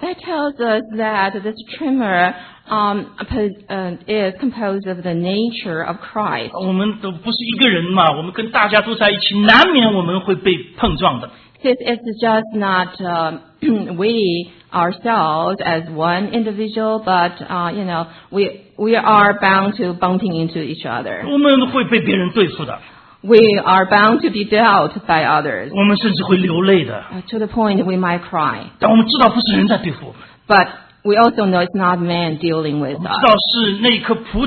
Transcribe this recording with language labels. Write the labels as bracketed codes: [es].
[en] That tells us that this trimmer is composed of the nature of Christ. [zh] 我们都不是一个人嘛，我们跟大家都在一起，难免我们会被碰撞的。 [en] Since it's just not we ourselves as one individual, but you know, we are bound to bumping into each other. [zh] 我们会被别人对付的。 [en] We are bound to be dealt by others. [zh] 我们甚至会流泪的。 [en] To the point we might cry. [zh] 但我们知道不是人在对付我们。 [en] We also know it's not man dealing with us.